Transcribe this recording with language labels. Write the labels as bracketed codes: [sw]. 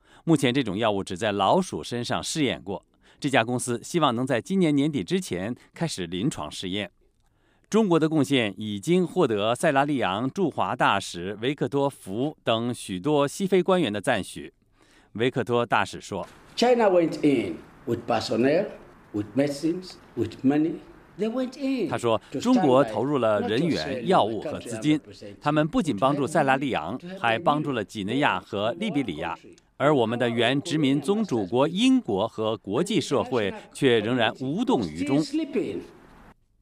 [zh] 目前这种药物只在老鼠身上试验过。这家公司希望能在今年年底之前开始临床试验。中国的贡献已经获得塞拉利昂驻华大使维克多·福等许多西非官员的赞许。维克多大使说 ：“ [en] China went in with personnel, with medicines, with money. They went in. [zh] 他说，中国投入了人员、药物和资金。他们不仅帮助塞拉利昂，还帮助了几内亚和利比里亚。而我们的原殖民宗主国英国和国际社会却仍然无动于衷。”